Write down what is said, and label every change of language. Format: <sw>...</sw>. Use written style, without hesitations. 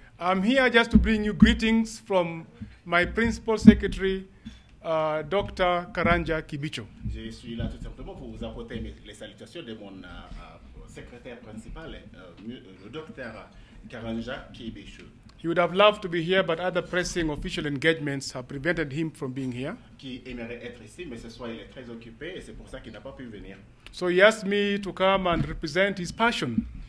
<en>I'm here just to bring you greetings from my principal secretary, Dr. Karanja Kibicho.</en> <fr>Je suis là tout simplement pour vous apporter les salutations de mon secrétaire principal, le Dr. Karanja Kibicho.</fr> <en>He would have loved to be here, but other pressing official engagements have prevented him from being here.</en> <fr>Qui aimerait être ici, mais ce soir il est très occupé et c'est pour ça qu'il n'a pas pu venir.</fr> <en>So he asked me to come and represent his passion.</en>